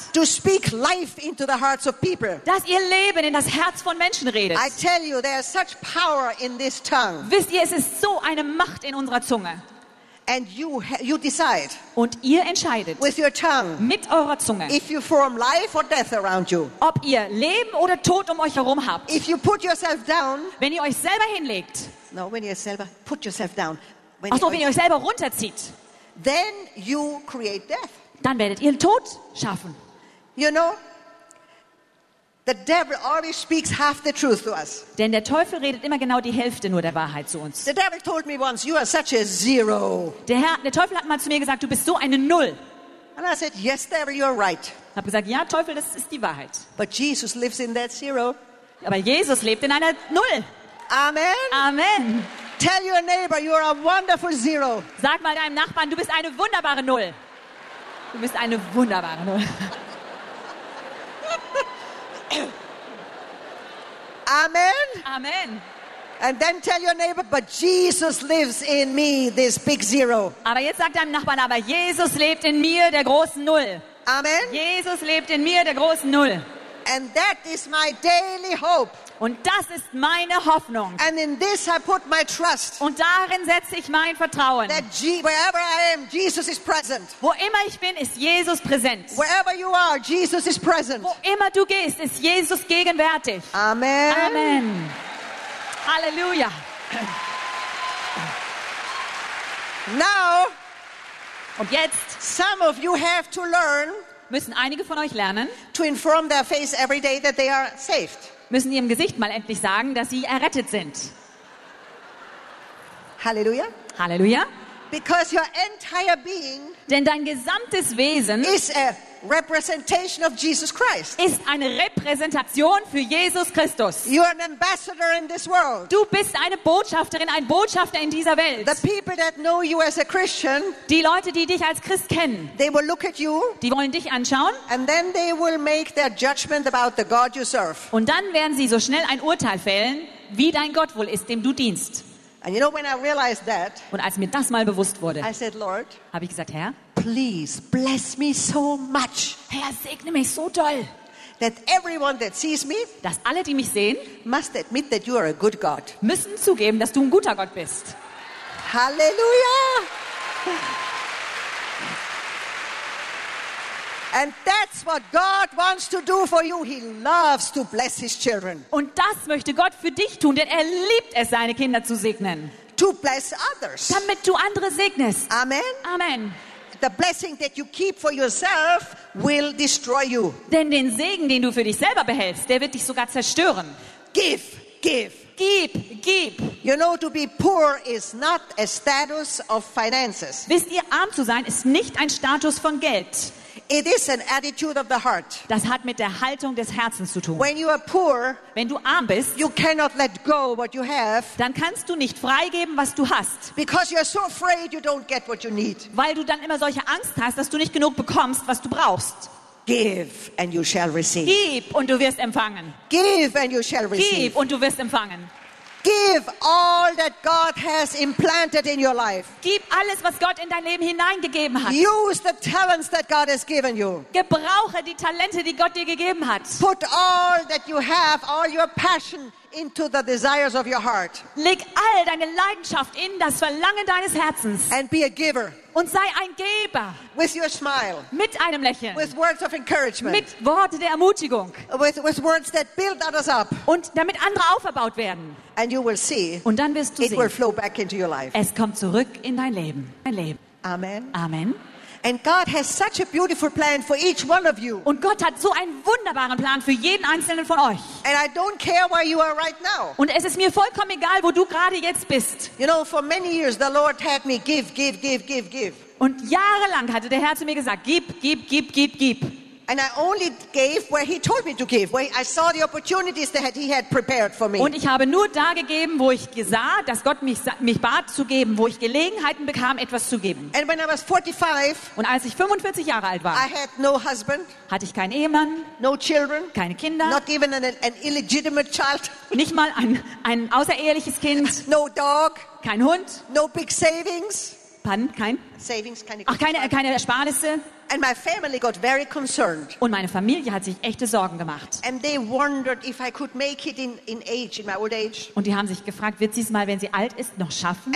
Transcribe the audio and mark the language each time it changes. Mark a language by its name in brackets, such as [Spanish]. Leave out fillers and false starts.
[English] To speak life into the hearts of people. [German] Dass ihr Leben in das Herz von Menschen redet. [English] I tell you, there is such power in this tongue. [German] Wisst ihr, es ist so eine Macht in unserer Zunge. [English] And you decide. [German] Und ihr entscheidet. [English] With your tongue. [German] Mit eurer Zunge. [English] If you form life or death around you. [German] Ob ihr Leben oder Tod um euch herum habt. [English] If you put yourself down. [German] Wenn ihr euch selber hinlegt. [English] No, when you [German] selber [English] put yourself down. [German] Ach so, wenn ihr euch selber runterzieht. [English] Then you create death. [German] Dann werdet ihr Tod schaffen. [English] You know. The devil always speaks half the truth to us. [German] Denn der Teufel redet immer genau die Hälfte nur der Wahrheit zu uns. [English] The devil told me once, you are such a zero. [German] Der Teufel hat mal zu mir gesagt, du bist so eine Null. [English] And I said, yes, devil, you are right. [German] Ich habe gesagt, ja, Teufel, das ist die Wahrheit. [English] But Jesus lives in that zero. [German] Aber Jesus lebt in einer Null. [English] Amen. [German] Amen. [English] Tell your neighbor, you are a wonderful zero. [German] Sag mal deinem Nachbarn, du bist eine wunderbare Null. Du bist eine wunderbare Null. [English] Amen. [German] Amen. [English] And then tell your neighbor, but Jesus lives in me, this big zero. [German] Aber jetzt sag deinem Nachbarn, aber Jesus lebt in mir, der großen Null. [English] Amen. [German] Jesus lebt in mir, der großen Null. [English] And that is my daily hope. [German] Und das ist meine Hoffnung. [English] And in this I put my trust. [German] Und darin setze ich mein Vertrauen. [English] That wherever I am, Jesus is present. [German] Wo immer ich bin, ist Jesus präsent. [English] Wherever you are, Jesus is present. [German] Wo immer du gehst, ist Jesus gegenwärtig. [English] Amen. [German] Amen. Halleluja. [English] Now, [German] und jetzt, [English] some of you have to learn, [German] müssen einige von euch lernen, [English] to inform their face every day that they are saved. [German] Müssen ihrem Gesicht mal endlich sagen, dass sie errettet sind. [English] Halleluja. [German] Halleluja. [English] Because your entire being, [German] denn dein gesamtes Wesen, [English] is a representation of Jesus Christ, [German] ist eine Repräsentation für Jesus Christus. [English] You are an ambassador in this world. [German] Du bist eine Botschafterin, ein Botschafter in dieser Welt. [English] The people that know you as a Christian, [German] die Leute, die dich als Christ kennen, [English] they will look at you, [German] die wollen dich anschauen, [English] and then they will make their judgment about the God you serve. [German] Und dann werden sie so schnell ein Urteil fällen, wie dein Gott wohl ist, dem du dienst. [English] And you know, when I realized that, [German] und als mir das mal bewusst wurde, [English] I said, Lord, [German] habe ich gesagt, Herr, [English] please bless me so much, [German] Herr, segne mich so doll, [English] that everyone that sees me, [German] dass alle, die mich sehen, [English] must admit that you are a good God, [German] müssen zugeben, dass du ein guter Gott bist. [English] Halleluja! And that's what God wants to do for you. He loves to bless his children. [German] Und das möchte Gott für dich tun, denn er liebt es, seine Kinder zu segnen. [English] To bless others. [German] Damit du andere segnest. [English] Amen. [German] Amen. [English] The blessing that you keep for yourself will destroy you. [German] Denn den Segen, den du für dich selber behältst, der wird dich sogar zerstören. [English] Give, give. [German] Gib, gib. [English] You know, to be poor is not a status of finances. [German] Wisst ihr, arm zu sein ist nicht ein Status von Geld. [English] It is an attitude of the heart. [German] Das hat mit der Haltung des Herzens zu tun. [English] When you are poor, [German] wenn du arm bist, [English] you cannot let go what you have. [German] Dann kannst du nicht freigeben, was du hast. [English] Because you are so afraid, you don't get what you need. [German] Weil du dann immer solche Angst hast, dass du nicht genug bekommst, was du brauchst. [English] Give and you shall receive. [German] Gib und du wirst empfangen. [English] Give and you shall receive. [German] Gib und du wirst empfangen. [English] Give all that God has implanted in your life. [German] Gib alles, was Gott in dein Leben hineingegeben hat. [English] Use the talents that God has given you. [German] Gebrauche die Talente, die Gott dir gegeben hat. [English] Put all that you have, all your passion into the desires of your heart. [German] Leg all deine Leidenschaft in das Verlangen deines Herzens. [English] And be a giver. [German] Und sei ein Geber. [English] With your smile. [German] Mit einem Lächeln. [English] With words of encouragement. [German] Mit Worte der Ermutigung. [English] With words that build others up. [German] Und damit andere aufgebaut werden. [English] And you will see. [German] Und dann wirst du [English] it [German] sehen. [English] It will flow back into your life. [German] Es kommt zurück in dein Leben. Dein Leben. [English] Amen. [German] Amen. [English] And God has such a beautiful plan for each one of you. [German] Und Gott hat so einen wunderbaren Plan für jeden einzelnen von euch. [English] And I don't care where you are right now. [German] Und es ist mir vollkommen egal, wo du gerade jetzt bist. [English] You know, for many years the Lord had me give, give, give, give, give. [German] Und jahrelang hatte der Herr zu mir gesagt, gib, gib, gib, gib, gib. [English] And I only gave where he told me to give, where I saw the opportunities that he had prepared for me. [German] Und ich habe nur da gegeben, wo ich sah, dass Gott mich bat zu geben, wo ich Gelegenheiten bekam, etwas zu geben. [English] And when I was 45, [German] und als ich 45 Jahre alt war, [English] I had no husband, [German] hatte ich keinen Ehemann, [English] no children, [German] keine Kinder, [English] not even an illegitimate child, [German] nicht mal ein außereheliches Kind, [English] no dog, [German] kein Hund, [English] no big savings. [German] Pardon, kein? [English] Savings, [German] keine, ach, keine Ersparnisse. [English] And my family got very concerned. [German] Und meine Familie hat sich echte Sorgen gemacht. [English] And they wondered if I could make it in age, in my old age. [German] Und die haben sich gefragt, wird sie es mal, wenn sie alt ist, noch schaffen?